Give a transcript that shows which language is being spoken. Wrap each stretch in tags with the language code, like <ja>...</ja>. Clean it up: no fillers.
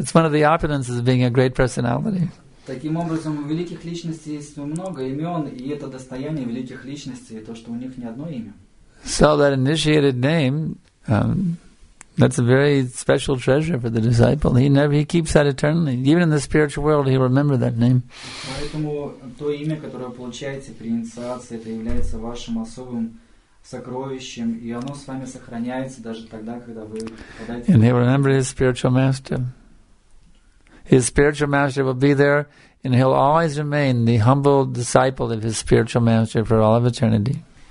<en>It's one of the opulences of being a great personality.</en> <ru>Таким образом, у великих личностей есть много имен, и это достояние великих личностей, то, что у них не одно имя.</ru> <en>So that initiated name, that's a very special treasure for the disciple. He keeps that eternally. Even in the spiritual world, he'll remember that name.</en> <ru>Поэтому то имя, которое вы получаете при инициации, это является вашим особым сокровищем, и оно с вами сохраняется даже тогда, когда вы попадаете.</ru> <en>And he'll remember his spiritual master. His spiritual master will be there, and he'll always remain the humble disciple of his spiritual master for all of eternity.</en>